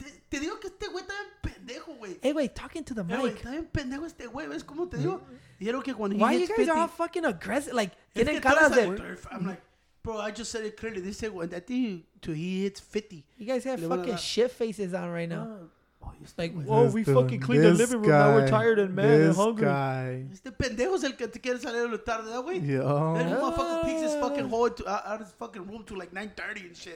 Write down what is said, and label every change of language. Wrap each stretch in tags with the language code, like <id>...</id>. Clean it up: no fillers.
<es>Te digo que este güey está bien pendejo, güey.</es> <en>Hey, wait, talking to the mic.</en> <es>Está bien pendejo este güey. ¿Ves cómo te digo? Dijeron que cuando</es> <en>he hits 50. Why you guys are all fucking aggressive?</en> <es>Like, tienen cara de.</es> <en>I'm like, bro, I just said it clearly. They said, well, I think he hits 50. You guys have fucking shit faces on right now. Like, whoa, we fucking cleaned the living room. Now we're tired and mad and hungry.</en> <es>Este pendejo es el que te quiere salir a la tarde, güey.</es> <en>Yeah. That motherfucker peeks his fucking hole out of his fucking room to like 9:30 and shit.</en>